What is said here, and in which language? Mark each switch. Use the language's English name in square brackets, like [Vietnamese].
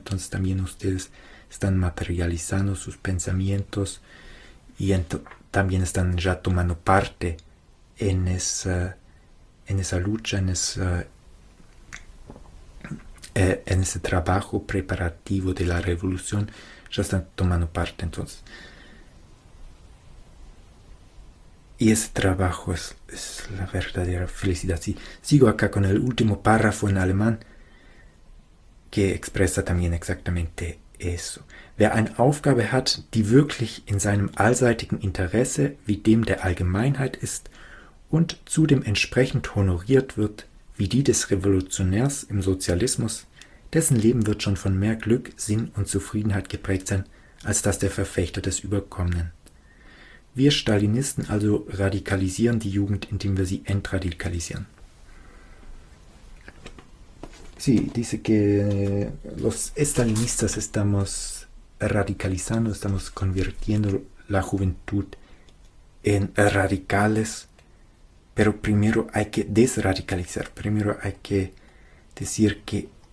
[Spanish] Entonces también ustedes están materializando sus pensamientos y también están ya tomando parte en esa lucha, en ese trabajo preparativo de la revolución, ya están tomando parte. Entonces, y ese trabajo es la verdadera felicidad. Sí, sigo acá con el último párrafo en alemán que expresa también exactamente eso. [German] Wer eine Aufgabe hat, die wirklich in seinem allseitigen Interesse wie dem der Allgemeinheit ist und zudem entsprechend honoriert wird wie die des Revolutionärs im Sozialismus, dessen Leben wird schon von mehr Glück, Sinn und Zufriedenheit geprägt sein als das der Verfechter des Überkommenen. Wir Stalinisten also radikalisieren die Jugend, indem wir sie entradikalisieren. [Spanish] Sí, dice que los estalinistas estamos radicalizando, estamos convirtiendo la juventud en radicales, pero primero hay que desradicalizar, primero hay que decir que